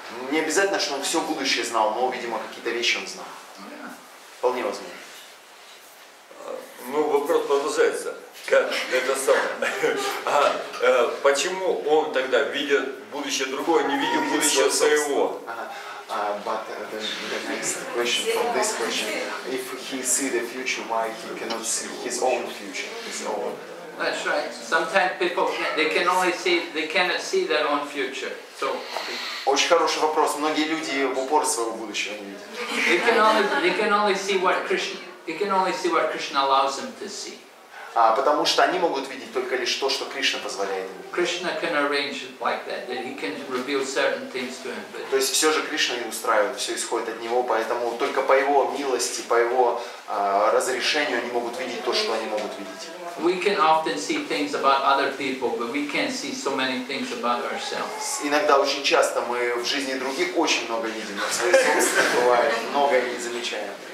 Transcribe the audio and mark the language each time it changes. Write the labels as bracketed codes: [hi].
[ru] Не обязательно, что он все будущее знал, но, видимо, какие-то вещи он знал. Вполне возможно. Ну, вопрос продолжается. Как это самое? Почему он тогда, видя будущее другое, не видел будущее своего? [en] But the next question from this question, if he see the future, why he cannot see his own future, his own? That's right. Sometimes people cannot see their own future. So. [ru] Очень хороший вопрос. Многие люди в упор своего будущего не видят. [en] They can only see what Krishna allows them to see. [ru] Потому что они могут видеть только лишь то, что Кришна позволяет им. [en] Krishna can arrange it like that, that he can reveal certain things to him. [ru] То есть все же Кришна не устраивает, все исходит от него, поэтому только по его милости, по его разрешению они могут видеть то, что они могут видеть. [en] We can often see things about other people, but we can't see so many things about ourselves. [ru] Иногда очень часто мы в жизни других очень много видим, а в своей собственной бывает многое не замечаем.